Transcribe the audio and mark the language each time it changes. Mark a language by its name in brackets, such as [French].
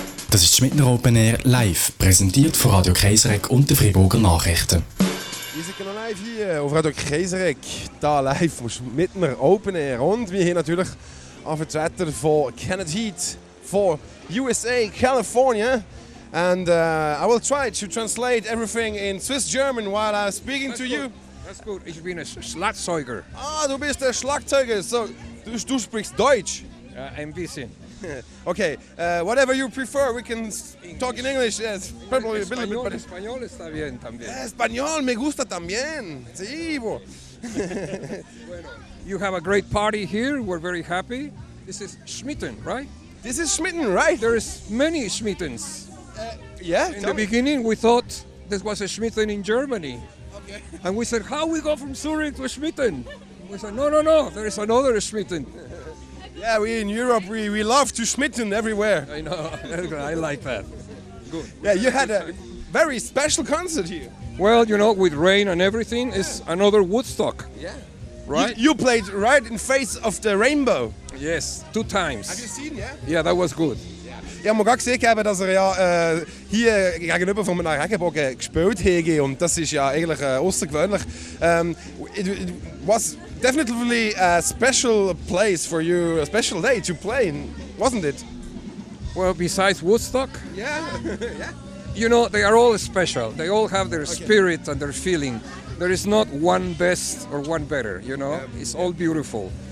[German] Das ist Schmidtner Open Air live, präsentiert von Radio Kaiserreck und den Freiburger Nachrichten. Wir sind noch live hier auf Radio Kaiserreck, hier live vom Schmidtner Open Air. Und wir haben natürlich auch Vertreter von Kenneth Heat for USA, California. [English] And I will try to translate everything in Swiss German while I'm speaking to you. That's good, [German] ich bin ein Schlagzeuger. Ah, du bist der Schlagzeuger, so du sprichst Deutsch. Ein bisschen. [English] Okay, whatever you prefer, we can English. Talk in English, yes. Probably Español, a little bit better. [Spanish] Español está bien también. Español me gusta también. Sí, bo. [English] You have a great party here, we're very happy. This is Schmitten, right? This is Schmitten, right? There is many Schmittens. Yeah, in the beginning we thought this was a Schmitten in Germany. Okay. And we said, how we go from Zurich to Schmitten? We said, no, there is another Schmitten. Yeah, we in Europe, we love to Schmitten everywhere. I know, I like that. Good. Yeah, you had a very special concert here. Well, you know, with rain and everything, yeah. It's another Woodstock. Yeah. Right? You played right in face of the rainbow. Yes, two times. Have you seen, yeah? Yeah, that was good. [German] Ich habe gerade gesehen, dass er ja hier gegenüber von einem Regenbogen gespielt hätte. Und das ist ja eigentlich außergewöhnlich. [English] It was definitely a special place for you, a special day to play in, wasn't it? Well, besides Woodstock. Yeah. Yeah. You know, they are all special. They all have their spirit and their feeling. There is not one best or one better, you know? It's all beautiful.